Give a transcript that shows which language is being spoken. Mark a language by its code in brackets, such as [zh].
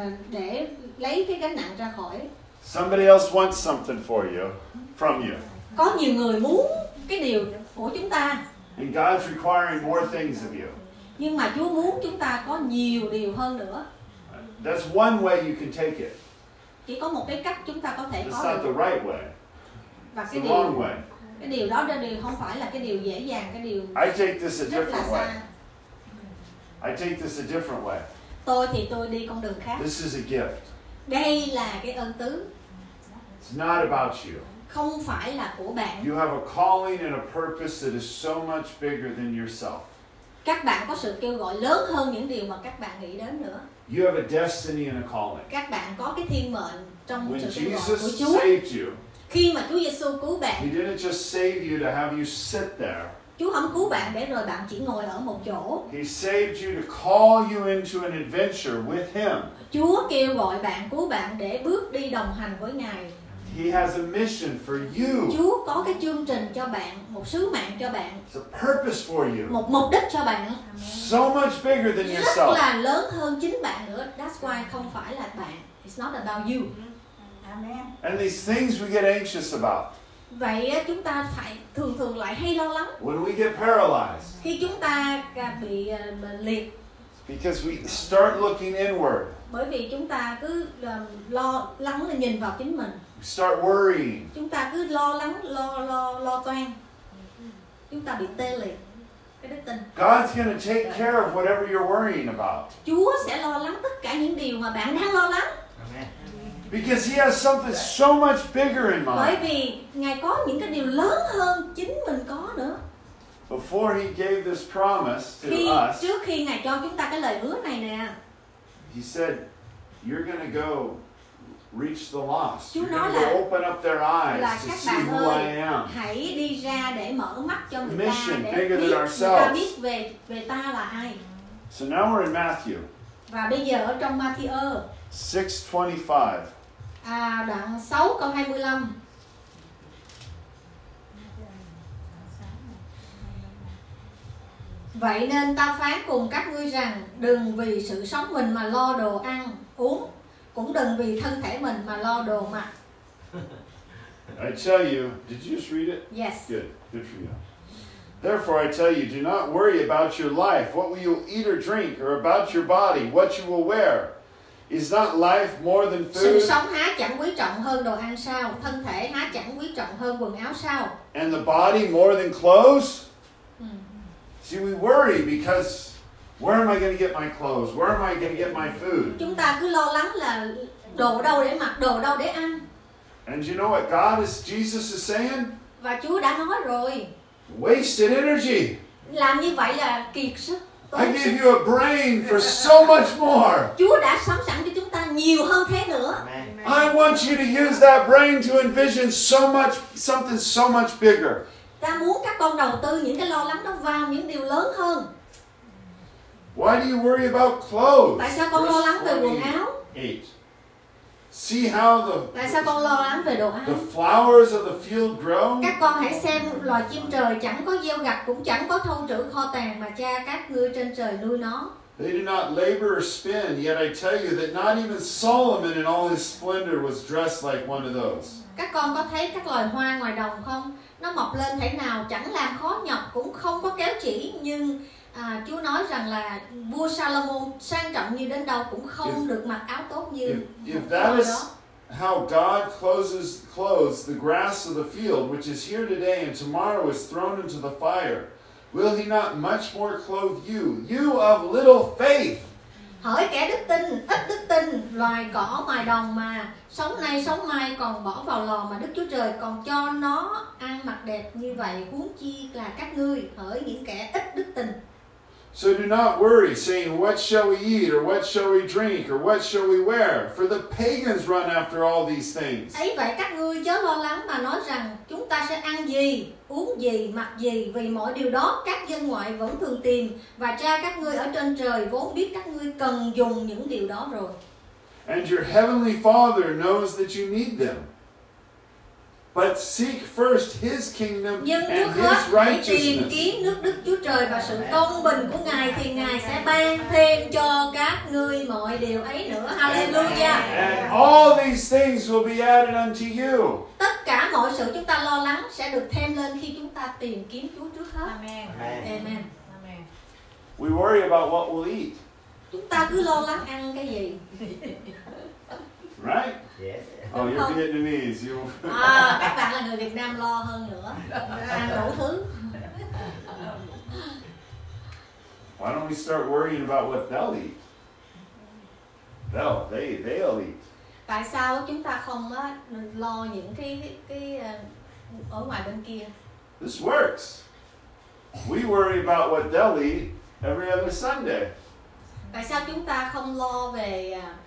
[vi] Để lấy cái gánh nặng ra khỏi. [en] Somebody else wants something for you, from you. [vi] Có nhiều người muốn cái điều của chúng ta. [en] And God's requiring more things of you. [vi] Nhưng mà Chúa muốn chúng ta có nhiều điều hơn nữa. [en] That's one way you can take it. [vi] Chỉ có một cái cách chúng ta có thể [en] It's [vi] có. [en] It's not the right way. [vi] Và [en] It's the [vi] điều, [en] wrong way. [vi] Cái điều đó là điều không phải là cái điều dễ dàng, cái điều rất là xa. [en] I take this a different way. I take this a different way. [vi] Tôi thì tôi đi con đường khác. [en] This is a gift. [vi] Đây là cái ân tứ. [en] It's not about you. [vi] Không phải là của bạn. [en] You have a calling and a purpose that is so much bigger than yourself. [vi] Các bạn có sự kêu gọi lớn hơn những điều mà các bạn nghĩ đến nữa. [en] You have a destiny and a calling. [vi] Các bạn có cái thiên mệnh trong [en] When [vi] sự [en] Jesus [vi] kêu gọi của Chúa. [en] Saved you, [vi] khi mà Chúa Giêsu cứu bạn, [en] He didn't just save you to have you sit there. [vi] Chúa không cứu bạn để rồi bạn chỉ ngồi ở một chỗ. [en] He saved you to call you into an adventure with Him. [vi] Chúa kêu gọi bạn, cứu bạn để bước đi đồng hành với Ngài. [en] He has a mission for you. [vi] Chúa có cái chương trình cho bạn, một sứ mạng cho bạn. [en] It's a purpose for you. [vi] Một mục đích cho bạn. [en] So much bigger than [vi] rất [en] yourself. [vi] Rất là lớn hơn chính bạn nữa. [en] That's why [vi] không phải là bạn. [en] It's not about you. And these things we get anxious about. [vi] Vậy chúng ta phải thường thường lại hay lo lắng. [en] When we get paralyzed. [vi] Khi chúng ta bị liệt. [en] Because we start looking inward. [vi] Bởi vì chúng ta cứ lo lắng là nhìn vào chính mình. [en] We start worrying. [vi] Chúng ta cứ lo lắng, lo toan. Chúng ta bị tê liệt. [en] God's going to take care of whatever you're worrying about. [vi] Chúa sẽ lo lắng tất cả những điều mà bạn đang lo lắng. [en] Because he has something so much bigger in mind. [vi] Bởi vì Ngài có những cái điều lớn hơn chính mình có nữa. [en] Before he gave this promise to [vi] khi, [en] us. [vi] Trước khi Ngài cho chúng ta cái lời hứa này nè. [en] He said, you're going to go reach the lost. You're going to open up their eyes to see who [vi] ơi, [en] I am. [vi] Hãy đi ra để mở mắt cho người [en] mission [vi] ta, để [en] bigger [vi] biết, [en] than ourselves. [vi] Người ta biết về, về ta là ai. [en] So now we're in Matthew. [vi] Và bây giờ ở trong Matthew [en] 6:25. [vi] À, đoạn 6 câu 25. Vậy nên ta phán cùng các ngươi rằng đừng vì sự sống mình mà lo đồ ăn, uống, cũng đừng vì thân thể mình mà lo đồ mặc. [en] I tell you, did you just read it? Yes. Good, good for you. Therefore I tell you, do not worry about your life, what will you eat or drink, or about your body, what you will wear. Is not life more than food? [vi] Sự sống há chẳng quý trọng hơn đồ ăn sao? Thân thể há chẳng quý trọng hơn quần áo sao? [en] And the body more than clothes? See, we worry because where am I going to get my clothes? Where am I going to get my food? [vi] Chúng ta cứ lo lắng là đồ đâu để mặc, đồ đâu để ăn. [en] And you know what God is, Jesus is saying? [vi] Và Chúa đã nói rồi. [en] Wasted energy. [vi] Làm như vậy là kiệt sức. [en] I gave you a brain for so much more. [vi] Chúa đã sắm sẵn cho chúng ta nhiều hơn thế nữa. [en] I want you to use that brain to envision so much, something so much bigger. [vi] Ta muốn các con đầu tư những cái lo lắng đó vào những điều lớn hơn. [en] Why do you worry about clothes? [vi] Tại sao con lo lắng về quần áo? [en] See how the, [vi] tại sao con lo lắng về đồ ăn? [en] The flowers of the field grow. [vi] Các con hãy xem loài chim trời chẳng có gieo gặt cũng chẳng có thâu trữ kho tàng mà cha các ngươi trên trời nuôi nó. [en] They do not labor or spin, yet I tell you that not even Solomon in all his splendor was dressed like one of those. [vi] Các con có thấy các loài hoa ngoài đồng không? Nó mọc lên thế nào chẳng làm khó nhọc cũng không có kéo chỉ, nhưng Chúa nói rằng là vua Salomon sang trọng như đến đâu cũng không [en] if, [vi] được mặc áo tốt như [en] if that is how God clothes the grass of the field which is here today and tomorrow is thrown into the fire, will he not much more clothe you, you of little faith? [vi] Hỡi kẻ đức tin, ít đức tin, loài cỏ ngoài đồng mà sống nay sống mai còn bỏ vào lò mà Đức Chúa Trời còn cho nó ăn mặc đẹp như vậy, huống chi là các ngươi, hỡi những kẻ ít đức tin. [en] So do not worry, saying, what shall we eat, or what shall we drink, or what shall we wear? For the pagans run after all these things. [vi] Ấy vậy các ngươi chớ lo lắng mà nói rằng chúng ta sẽ ăn gì, uống gì, mặc gì, vì mọi điều đó các dân ngoại vẫn thường tìm, và cha các ngươi ở trên trời vốn biết các ngươi cần dùng những điều đó rồi. [en] And your heavenly Father knows that you need them. But seek first His kingdom [vi] nhưng [en] and His righteousness. [vi] Tìm kiếm nước Đức Chúa Trời và sự công bình của Ngài thì Ngài sẽ ban thêm cho các ngươi mọi điều ấy nữa. [en] Hallelujah. And all these things will be added unto you. [vi] Tất cả mọi sự chúng ta lo lắng sẽ được thêm lên khi chúng ta tìm kiếm Chúa trước hết. [en] Amen. Amen. Amen. We worry about what we'll eat. [vi] Chúng ta cứ lo lắng ăn cái gì. [en] Right? Yes. Oh, you're [vi] không. [en] Vietnamese. You. [vi] Các bạn là người Việt Nam lo hơn nữa. Ăn đủ thứ. [en] Why don't we start worrying about what they'll eat? They'll eat. [vi] Tại sao chúng ta không lo những cái ở ngoài bên kia? [en] This works. We worry about what they'll eat every other Sunday. [vi] Tại sao chúng ta không lo về